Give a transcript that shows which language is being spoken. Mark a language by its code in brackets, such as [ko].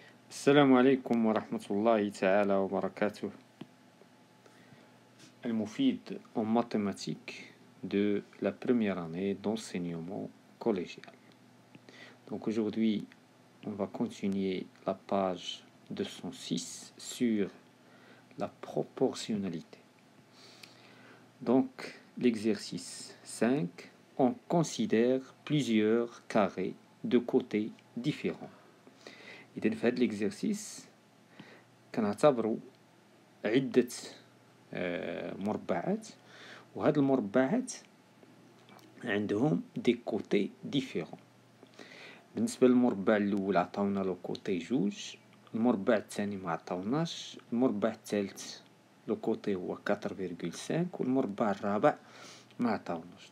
[ar] السلام عليكم ورحمة الله تعالى وبركاته. [fr] المفيد en mathématiques de la première année d'enseignement collégial. Donc aujourd'hui, on va continuer la page 206 sur la proportionnalité. Donc, l'exercice 5, on considère plusieurs carrés de côtés différents. [ar] إذن في هذا الإكزرسيس كنعتبرو عدة مربعات، وهاد المربعات عندهم دي كوتي ديفيرون. بالنسبة للمربع الأول عطاونا لو كوتي جوج، المربع الثاني ما عطاوناش، المربع الثالث لو كوتي هو 4.5، والمربع الرابع ما عطاوناش.